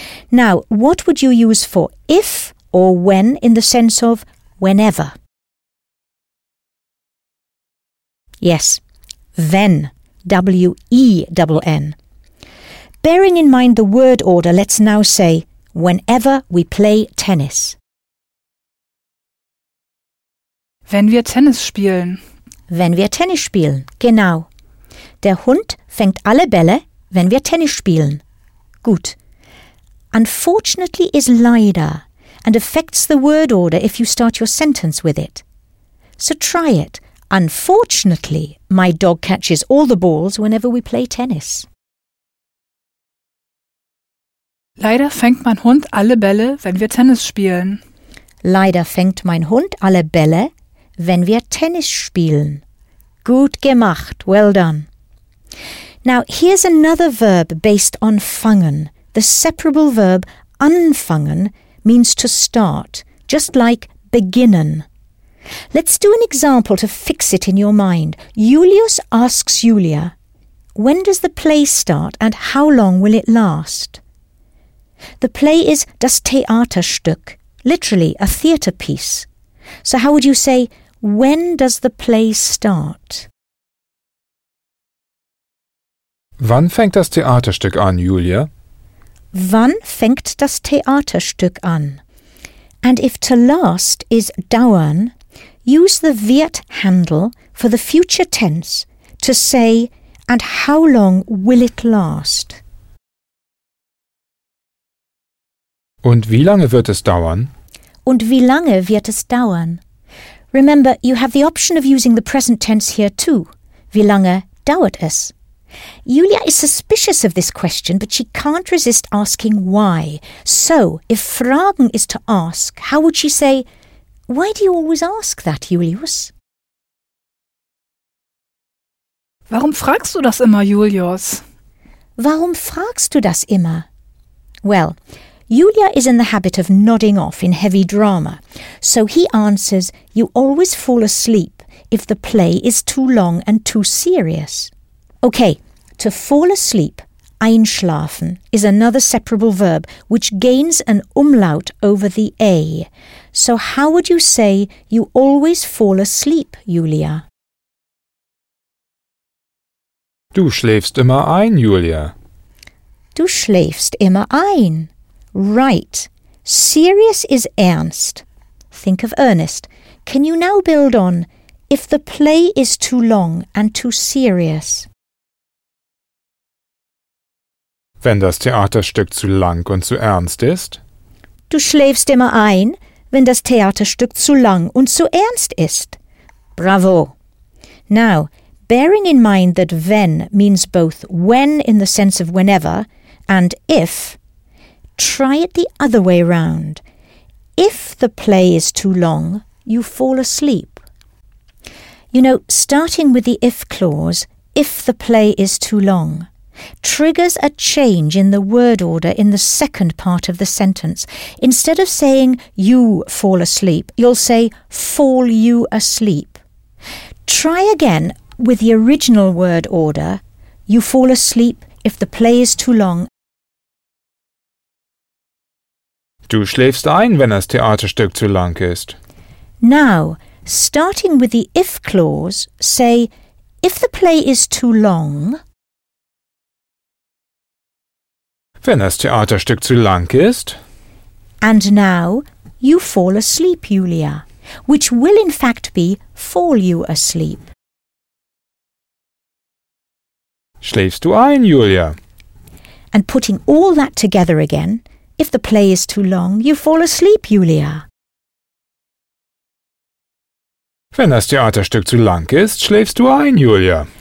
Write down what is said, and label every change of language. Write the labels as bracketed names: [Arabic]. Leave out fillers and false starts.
[English] Now, what would you use for if or when in the sense of whenever? Yes, wenn, W-E-N-N. Bearing in mind the word order, let's now say, whenever we play tennis. [German] Wenn wir Tennis spielen. Wenn wir Tennis spielen, genau. Der Hund fängt alle Bälle, wenn wir Tennis spielen. Gut. [English] Unfortunately is leider and affects the word order if you start your sentence with it. So try it. Unfortunately, my dog catches all the balls whenever we play tennis. [German] Leider fängt mein Hund alle Bälle, wenn wir Tennis spielen. Leider fängt mein Hund alle Bälle, wenn wir Tennis spielen. Gut gemacht. [English] Well done. Now, here's another verb based on fangen. The separable verb anfangen means to start, just like beginnen. Let's do an example to fix it in your mind. Julius asks Julia, when does the play start and how long will it last? The play is das Theaterstück, literally a theatre piece. So how would you say, when does the play start? [German] Wann fängt das Theaterstück an, Julia? Wann fängt das Theaterstück an? [English] And if to last is dauern, use the Wird-Handel for the future tense to say, and how long will it last? [German] Und wie lange wird es dauern? Und wie lange wird es dauern? [English] Remember, you have the option of using the present tense here too. [German] Wie lange dauert es? [English] Julia is suspicious of this question, but she can't resist asking why. So, if fragen is to ask, how would she say, why do you always ask that, Julius? [German] Warum fragst du das immer, Julius? Warum fragst du das immer? [English] Well, Julia is in the habit of nodding off in heavy drama. So he answers, you always fall asleep if the play is too long and too serious. Okay, to fall asleep, einschlafen, is another separable verb which gains an umlaut over the A. So how would you say you always fall asleep, Julia? [German] Du schläfst immer ein, Julia. Du schläfst immer ein. [English] Right. Serious is ernst. Think of Ernest. Can you now build on if the play is too long and too serious? [German] Wenn das Theaterstück zu lang und zu ernst ist? Du schläfst immer ein, wenn das Theaterstück zu lang und zu ernst ist. Bravo. [English] Now, bearing in mind that wenn means both when in the sense of whenever and if, try it the other way round. If the play is too long, you fall asleep. You know, starting with the if clause, if the play is too long, triggers a change in the word order in the second part of the sentence. Instead of saying you fall asleep, you'll say fall you asleep. Try again with the original word order, you fall asleep if the play is too long. [German] Du schläfst ein, wenn das Theaterstück zu lang ist. [English] Now, starting with the if clause, say, if the play is too long. [German] Wenn das Theaterstück zu lang ist. [English] And now, you fall asleep, Julia, which will in fact be fall you asleep. [German] Schläfst du ein, Julia? [English] And putting all that together again, if the play is too long, you fall asleep, Julia. [German] Wenn das Theaterstück zu lang ist, schläfst du ein, Julia.